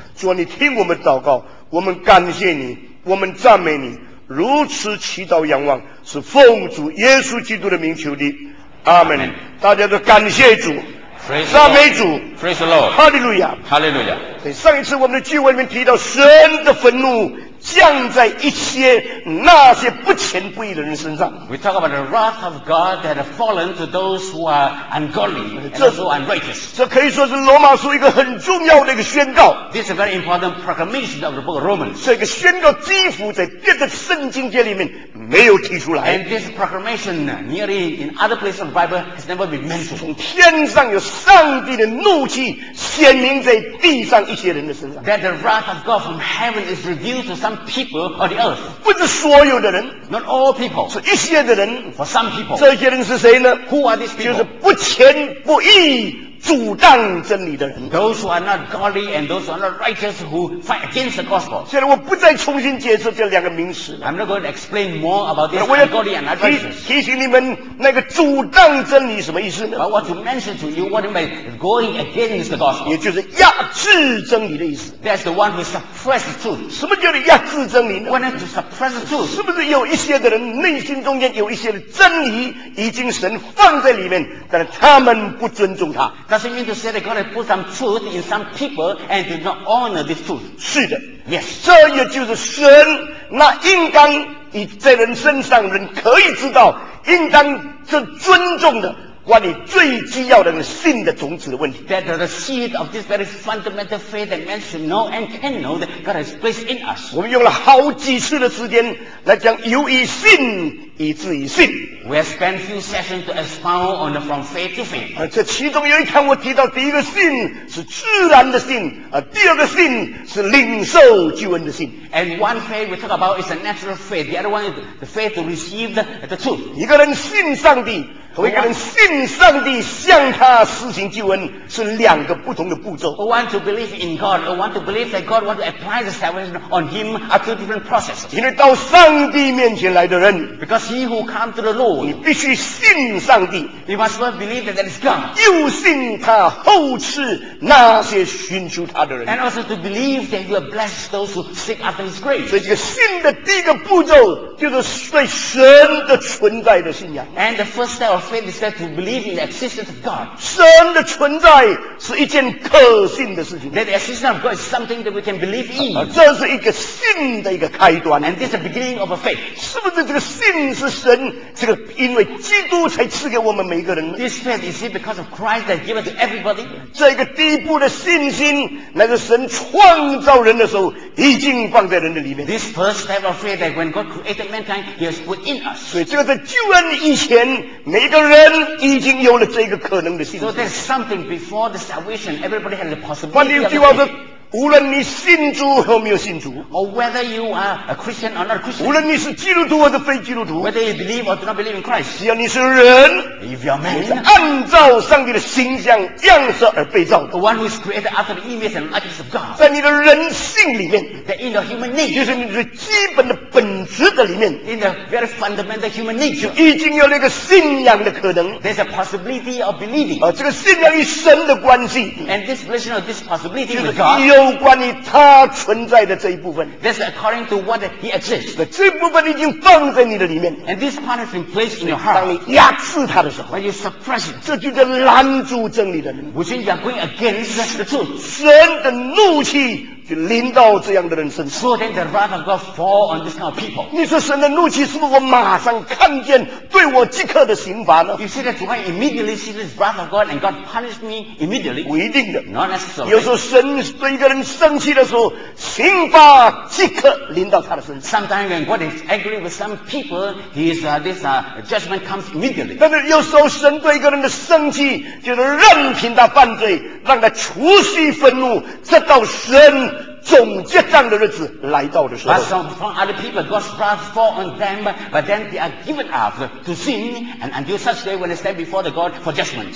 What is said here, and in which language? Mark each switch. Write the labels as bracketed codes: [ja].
[zh] 主啊，你听我们祷告，我们感谢你，我们赞美你，如此祈祷仰望是奉主耶稣基督的名求的，阿门。大家都感谢主，赞美主， [en] Praise the Lord， [zh] 哈利路亚，哈利路亚。上一次我们的聚会里面提到神的愤怒降在一些那些不虔不义的人身上。 [en] We talk about the wrath of God that has fallen to those who are ungodly and those who are unrighteous. [zh] 这可以说是罗马书一个很重要的一个宣告。 [en] This is a very important proclamation of the book of Romans. [zh] 这个宣告几乎在别的圣经界里面没有提出来。 [en] And this proclamation nearly in other places of the Bible has never been mentioned. [zh] 从天上有上帝的怒气显明在地上一些人的身上。 [en] That the wrath of God from heaven is revealed to some people on the earth. [zh] 不是所有的人。 [en] Not all people. [zh] 是一些的人。 [en] For some people. [zh] 这些人是谁呢？ [en] Who are these people? [zh] 就是不虔不义阻挡真理的人。 [en] Those who are not godly and those who are not righteous who fight against the gospel. [zh] 现在我不再重新解释这两个名词。 [en] I'm not going to explain more about this ungodly and not righteous. [zh] 提醒你们那个阻挡真理什么意思呢？ [en] But I want to mention to you what you mean going against the gospel. [zh] 也就是压制真理的意思。 [en] That's the one who suppresses truth. [zh] 什么叫做压制真理呢？ [en] What is to suppress the truth? [zh] 是不是有一些的人内心中间有一些的真理已经神放在里面，但是他们不尊重他。 [en] Does it mean to say that God has put some truth in some people and do not honor this truth? [zh] 是的。 [en] Yes. [zh] 这也就是神那应当在人身上人可以知道应当是尊重的关于最基要的信的种子的问题。 [en] That the seed of this very fundamental faith that man should know and can know that God has placed in us. [zh] 我们用了好几次的时间来讲由于信以至于信。 [en] We have spent few sessions to expound on the from faith to faith. [zh] 这其中有一堂我提到第一个信是自然的信，第二个信是领受救恩的信。 [en] And one faith we talk about is a natural faith. The other one is the faith to receive the truth. [zh] 一个人信上帝和一个人信上帝向他施行救恩是两个不同的步骤。 [en] I want to believe in God. I want to believe that God wants to apply the salvation on him are two different processes. [zh] 因为到上帝面前来的人 [en] ，Because he who comes to the Lord， [zh] 你必须信上帝。 [en] You must first believe that that is God。 [zh] 又信他后赐那些寻求他的人。 [en] And also to believe that you are blessed those who seek after his grace。 [zh] 所以这个信的第一个步骤就是对神的存在的信仰。 [en] And the first step of faith is that to believe in the existence of God. [zh] 神的存在是一件可信的事情。 [en] That the existence of God is something that we can believe in. [zh] 这是一个信的一个开端。 [en] And this is the beginning of a faith. [zh] 是不是这个信是神这个因为基督才赐给我们每一个人？ [en] This faith is it because of Christ that given to everybody. [zh] 这个第一步的信心乃是神创造人的时候已经放在人的里面。 [en] This first step of faith that when God created mankind, he has put in us. [zh] 所以这个在救恩以前每一个人已经有了这个可能的信心。 [en] So there's something before the salvation. Everybody had the possibility. [zh] 换句话说，无论你信主和没有信主， [en] or whether you are a Christian or not a Christian， [zh] 无论你是基督徒或者非基督徒， [en] whether you believe or do not believe in Christ， [zh] 只要你是人， [en] if you are man， [zh] 你是按照上帝的形象样式而被造的， [en] the one who is created after the image and likeness of God， [zh] 在你的人性里面， [en] that in the human nature， [zh] 就是你的基本的本质的里面， [en] in the very fundamental human nature， [zh] 已经有了一个信仰的可能， [en] there's a possibility of believing， [zh] 这个信仰与神的关系， [en] and this relation of this possibility with God。 [zh] 有关于他存在的这一部分 [en] That's according to what he exists. [zh] 这一部分已经放在你的里面 [en] And this part has been placed in your heart. [zh] 当你压制他的时候 [en] When you suppress it. [zh] 这就是拦阻真理的人 [en] Which means you're going against the truth. [zh] 神的怒气就临到这样的人身上。 [en] So then the wrath of God fall on this kind of people. [zh] 你说神的怒气是不是我马上看见对我即刻的刑罚呢？ [en] You see that you can immediately see this wrath of God and God punish me immediately. [zh] 不一定的。 [en] Not necessarily. [zh] 有时候神对一个人生气的时候，刑罚即刻临到他的身上。 [en] Sometimes when God is angry with some people, judgment comes immediately. [zh] 但是有时候神对一个人的生气，就是任凭他犯罪，让他持续愤怒，直到神总结账的日子来到的时候。 [en] But some from other people, God's wrath fall on them, but then they are given up to sin, and until such day when they stand before the God for judgment.